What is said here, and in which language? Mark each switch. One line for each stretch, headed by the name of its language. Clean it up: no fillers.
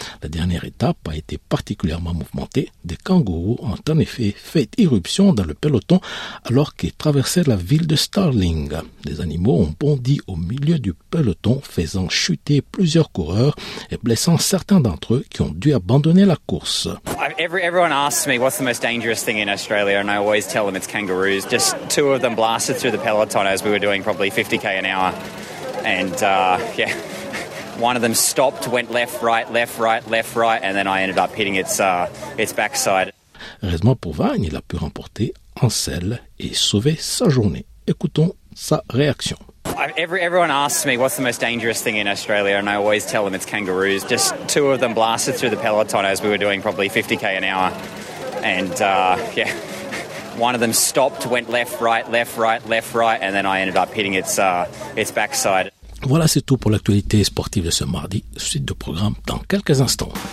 French: La dernière étape a été particulièrement mouvementée. Des kangourous ont en effet fait irruption dans le peloton alors qu'il traversait la ville de Stirling. Les animaux ont bondi au milieu du peloton, faisant chuter plusieurs coureurs et blessant certains d'entre eux qui ont dû abandonner la course.
English: Everyone asks me what's the most dangerous thing in Australia, and I always tell them it's kangaroos. Just two of them blasted through the peloton as we were doing probably 50k an hour, and yeah, one of them stopped, went left, right, and then I ended up hitting its backside.
French: Heureusement pour Vine, il a pu remporter en selle et sauver sa journée. Écoutons sa réaction.
English: Everyone asks me what's the most dangerous thing in Australia, and I always tell them it's kangaroos. Just two of them blasted through the peloton as we were doing probably 50k an hour. And yeah, one of them stopped, went left, right, and then I ended up hitting its backside.
French: Voilà, c'est tout pour l'actualité sportive de ce mardi. Suite de programme dans quelques instants.